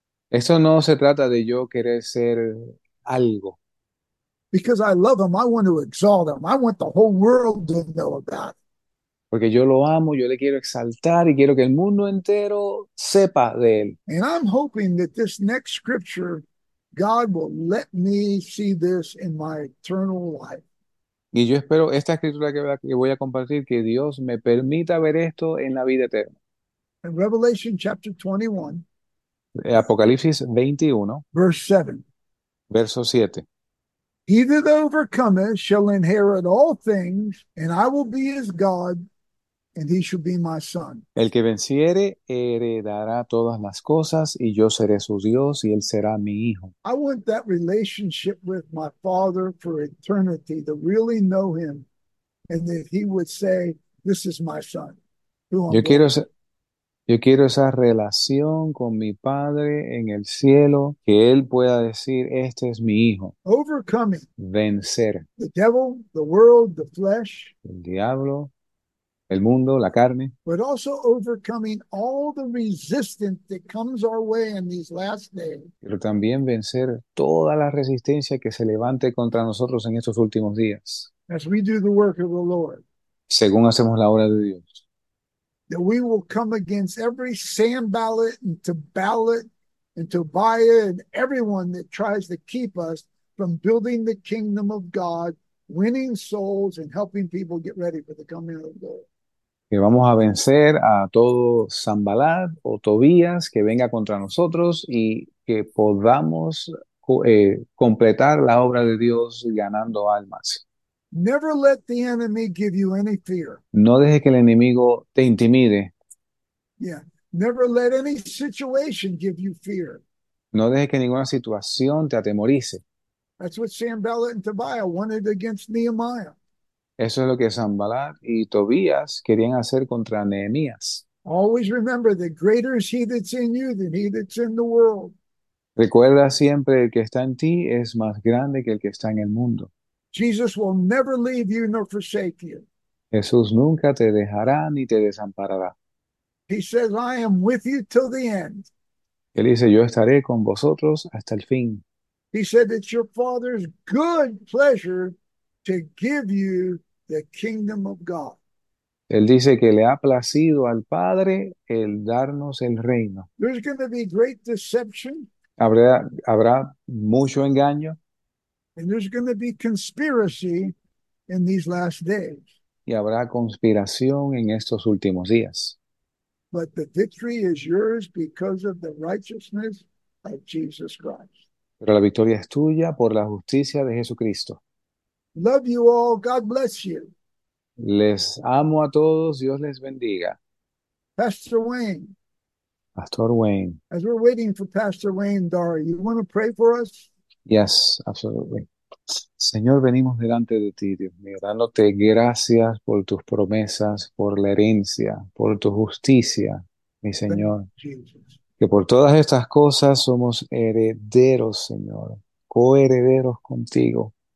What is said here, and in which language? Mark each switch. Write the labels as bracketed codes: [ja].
[es] Eso no se trata de yo querer ser algo. [en] Because I love him, I want to exalt him. I want the whole world to know about [es] Porque yo lo amo, yo le quiero exaltar y quiero que el mundo entero sepa de él. [en] him. And I'm hoping that this next scripture, God will let me see this in my eternal life. [es] Y yo espero esta escritura que voy a compartir, que Dios me permita ver esto en la vida eterna. [en] In Revelation chapter 21, [es] Apocalipsis 21, [en] verse 7. [es] verso 7. [en] He that overcometh shall inherit all things, and I will be his God, and he shall be my son. [es] El que venciere heredará todas las cosas, y yo seré su Dios, y él será mi hijo. [en] I want that relationship with my father for eternity, to really know him, and that he would say, this is my son, who I'm loving. [es] Yo quiero esa relación con mi padre en el cielo, que él pueda decir, este es mi hijo. [en] Overcoming [es] Vencer. [en] the devil, the world, the flesh, [es] El diablo, el mundo, la carne. [en] but also overcoming all the resistance that comes our way in these last days. [es] Pero también vencer toda la resistencia que se levante contra nosotros en estos últimos días, [en] As we do the work of the Lord, [es] según hacemos la obra de Dios. [en] that we will come against every Sanballat and Tobalat and Tobiah and everyone that tries to keep us from building the kingdom of God, winning souls, and helping people get ready for the coming of the Lord. [es] Que vamos a vencer a todo Sanbalat o Tobías que venga contra nosotros y que podamos completar la obra de Dios ganando almas. [en] Never let the enemy give you any fear. [es] No deje que el enemigo te intimide. [en] Never let any situation give you fear. [es] No deje que ninguna situación te atemorice. [en] That's what Sanballat and Tobiah wanted against Nehemiah. [es] Eso es lo que Sanbalat y Tobías querían hacer contra Nehemías. [en] Always remember that greater is he that's in you than he that's in the world. [es] Recuerda siempre, el que está en ti es más grande que el que está en el mundo. [en] Jesus will never leave you nor forsake you. [es] Jesús nunca te dejará ni te desamparará. [en] He says, I am with you till the end. [es] Él dice, yo estaré con vosotros hasta el fin. [en] He said, it's your father's good pleasure to give you the kingdom of God. [es] Él dice que le ha placido al Padre el darnos el reino. [en] There's going to be great deception, [es] ¿Habrá mucho engaño? [en] and there's going to be conspiracy in these last days. [es] ¿Y habrá conspiración en estos últimos días? [en] But the victory is yours because of the righteousness of Jesus Christ. [es] Pero la victoria es tuya por la justicia de Jesucristo. [en] Love you all. God bless you. [es] Les amo a todos, Dios les bendiga. [en] Pastor Wayne. Pastor Wayne. As we're waiting for Pastor Wayne, Dara, you want to pray for us? Yes, absolutely. [es] Señor, venimos delante de ti, Dios mío, dándote gracias por tus promesas, por la herencia, por tu justicia, mi [en] Thank [es] Señor. [en] you, Jesus. [es] Que por todas estas cosas somos herederos, Señor, coherederos contigo.